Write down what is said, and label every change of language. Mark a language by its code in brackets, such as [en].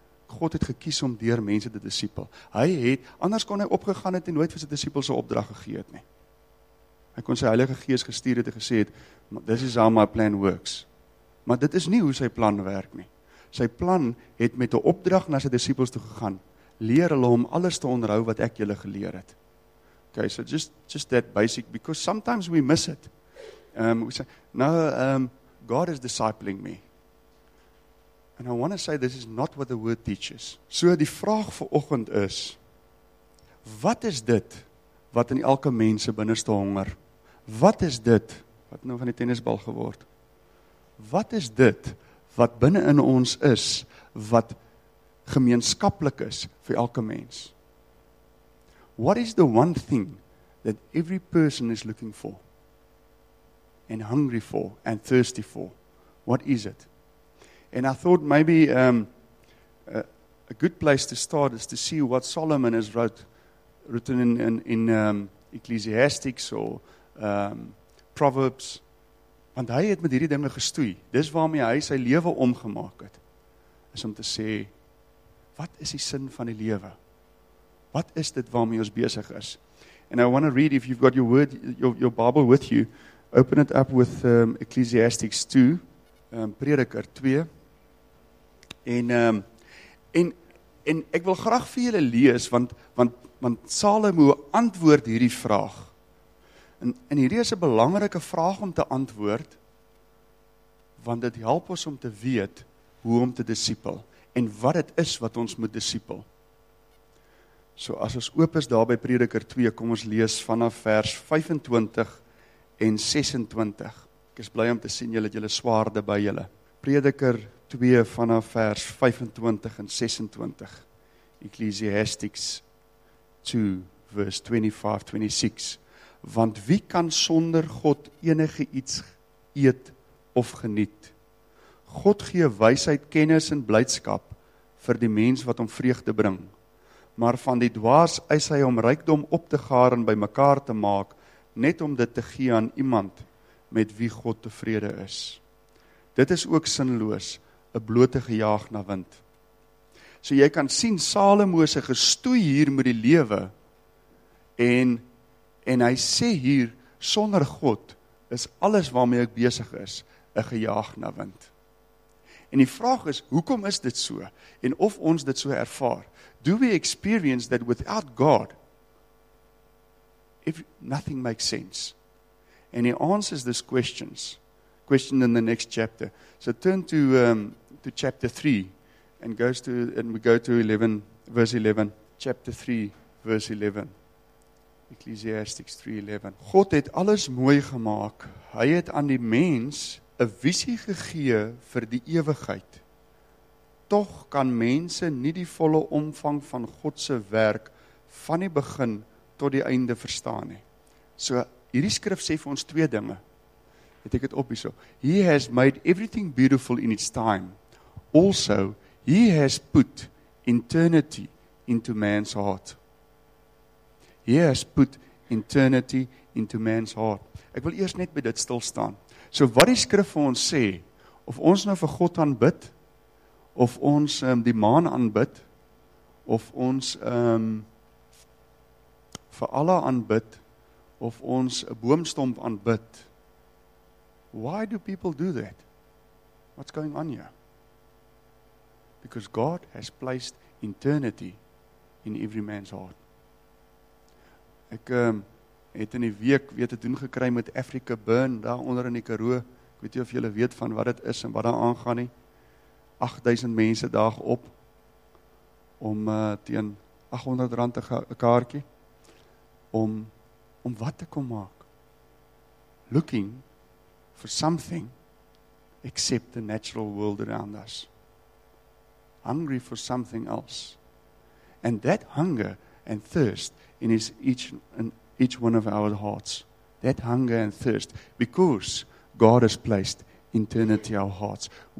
[af] God het gekies om deur mense te disciple. Hy het, anders kon hy opgegaan het en nooit vir sy disciples 'n opdrag gegee het nie. Hy kon sy Heilige Gees gestuur het en gesê het, [en] this is how my plan works. [af] Maar dit is nie hoe sy plan werk nie. Sy plan het met 'n opdrag na sy disciples toe gegaan. Leer hulle om alles te onthou wat ek julle geleer het. [en] Okay, so just that basic, because sometimes we miss it. God is discipling me. And I want to say this is not what the word teaches. [af] So die vraag vir oggend is, wat is dit wat in elke mens se binneste honger? Wat is dit wat nou van die tennisbal geword? Wat is dit wat binne in ons is, wat gemeenskaplik is vir elke mens. [en] What is the one thing that every person is looking for and hungry for and thirsty for? What is it? And I thought maybe a good place to start is to see what Solomon has written in Ecclesiastics or Proverbs. [af] Want hy het met hierdie dinge gestoei. Dis waarmee hy sy lewe omgemaak het. Is om te sê, wat is die sin van die lewe? Wat is dit waarmee ons besig is? [en] And I want to read, if you've got your word, your Bible with you, open it up with Ecclesiastics 2, [af] Prediker 2. En ek wil graag vir julle lees, want Salomo antwoord hierdie vraag. En hierdie is 'n belangrike vraag om te antwoord, want dit help ons om te weet hoe om te disipel en wat het is wat ons moet disipel. So as ons oop is daar by Prediker 2, kom ons lees vanaf vers 25 en 26. Ek is bly om te sien julle het julle swaarde by julle. Prediker 2 vanaf vers 25 en 26. Ecclesiastics 2 vers 25-26. Want wie kan sonder God enige iets eet of geniet? God gee wysheid, kennis en blydskap vir die mens wat hom vreugde bring. Maar van die dwaas eis hy om rykdom op te gaar en by mekaar te maak, net om dit te gee aan iemand met wie God tevrede is. Dit is ook sinloos, 'n blote gejaag na wind. So jy kan sien, Salomo se gestoei hier met die lewe en hy sê hier, sonder God is alles waarmee ek besig is, 'n gejaag na wind. En die vraag is, hoekom is dit so? En of ons dit so ervaar? [en] Do we experience that without God, if nothing makes sense? And he answers this question in the next chapter. So turn to chapter 3 and we go to 11, verse 11. Chapter 3, verse 11. Ecclesiastics 3:11. [af] God het alles mooi gemaak. Hy het aan die mens 'n visie gegee vir die ewigheid. Tog kan mense nie die volle omvang van God se werk van die begin tot die einde verstaan nie. So hierdie skrif sê vir ons twee dinge. Het ek dit op hierso. [en] He has made everything beautiful in its time. Also, he has put eternity into man's heart. He has put eternity into man's heart. [af] Ek wil eers net by dit stil staan. So wat die skrif vir ons sê, of ons nou vir God aanbid, of ons die maan aanbid, of ons vir Allah aanbid, of ons 'n boomstomp aanbid. [en] Why do people do that? What's going on here? Because God has placed eternity in every man's heart. [af] Ek het in die week weer te doen gekry met Africa Burn, daar onder in die Karoo. Ek weet nie of julle weet van wat dit is en wat daar aangaan nie. 8000 mense daag op om teen R800 'n kaartjie om wat te kom maak. [en] Looking for something except the natural world around us. Hungry for something else. And that hunger and thirst in each one of our hearts. That hunger and thirst. Because God has placed eternity in our hearts.